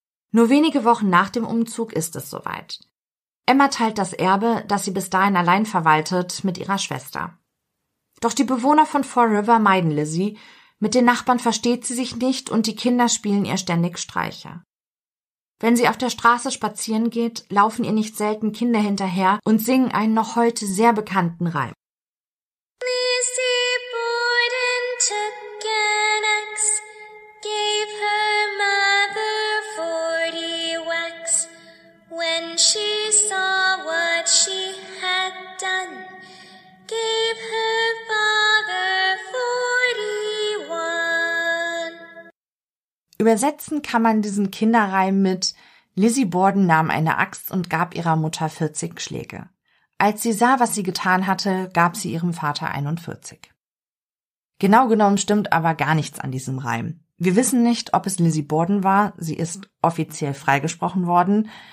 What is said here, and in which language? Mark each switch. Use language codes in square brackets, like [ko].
[de] Nur wenige Wochen nach dem Umzug ist es soweit. Emma teilt das Erbe, das sie bis dahin allein verwaltet, mit ihrer Schwester. Doch die Bewohner von Fall River meiden Lizzie, mit den Nachbarn versteht sie sich nicht und die Kinder spielen ihr ständig Streiche. Wenn sie auf der Straße spazieren geht, laufen ihr nicht selten Kinder hinterher und singen einen noch heute sehr bekannten Reim. [en] Lizzie Borden took an axe, gave her mother 40 wax. When she saw what she had done, gave her father 41. [de] Übersetzen kann man diesen Kinderreim mit: Lizzie Borden nahm eine Axt und gab ihrer Mutter 40 Schläge. Als sie sah, was sie getan hatte, gab sie ihrem Vater 41. Genau genommen stimmt aber gar nichts an diesem Reim. Wir wissen nicht, ob es Lizzie Borden war, sie ist offiziell freigesprochen worden.